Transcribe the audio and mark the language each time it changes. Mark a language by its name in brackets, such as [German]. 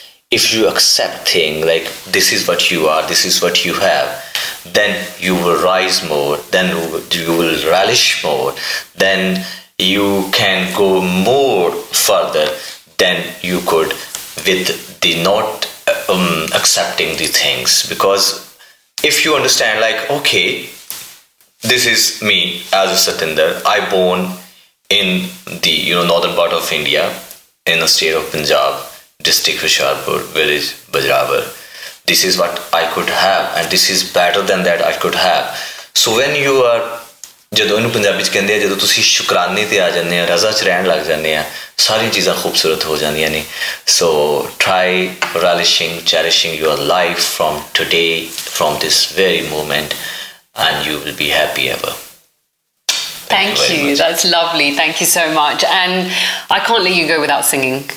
[English] If you accept thing like this is what you are, this is what you have, then you will rise more, then you will relish more, then you can go more further than you could with the not accepting the things. Because if you understand, like, okay, this is me as a Satinder. I born in the northern part of India, in the state of Punjab, district Hoshiarpur, village Bajrawar. This is what I could have, and this is better than that I could have. So when you are, [Punjabi] ਜਦੋਂ ਇਹਨੂੰ ਪੰਜਾਬੀ 'ਚ ਕਹਿੰਦੇ ਆ, ਜਦੋਂ ਤੁਸੀਂ ਸ਼ੁਕਰਾਨੇ 'ਤੇ ਆ ਜਾਂਦੇ ਆ, ਰਜ਼ਾ 'ਚ ਰਹਿਣ ਲੱਗ ਜਾਂਦੇ ਆ, ਸਾਰੀਆਂ ਚੀਜ਼ਾਂ ਖੂਬਸੂਰਤ ਹੋ ਜਾਂਦੀਆਂ ਨੇ. [English] So try relishing cherishing your life from today from this very moment and you will be happy ever. Thank you. That's lovely. Thank you so much. And I can't let you go without singing.